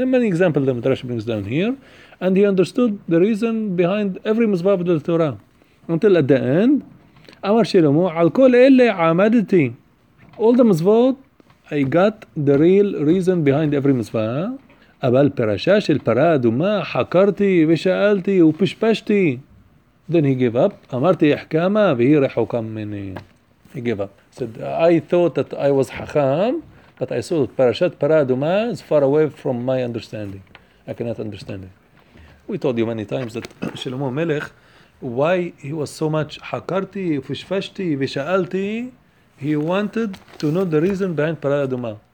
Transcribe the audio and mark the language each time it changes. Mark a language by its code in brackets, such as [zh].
[en] Many examples that Rashi brings down here. And he understood the reason behind every Mitzvah of the Torah. Until at the end, [he] Amar Shlomo, Al Kol Ele Amadeti. [en] All the Mitzvot, I got the real reason behind every Mitzvah. [he] אבל פרשה של פרה אדומה חקרתי ושאלתי ופשפשתי. [en] Then he gave up. [he] אמרתי אחכמה והיא רחוקה ממני. [en] He gave up. He said, I thought that I was חכם, but I saw that פרשת פרה אדומה is far away from my understanding. I cannot understand it. We told you many times that שלמה המלך, why he was so much [he] חקרתי ופשפשתי ושאלתי, [en] he wanted to know the reason behind פרה אדומה.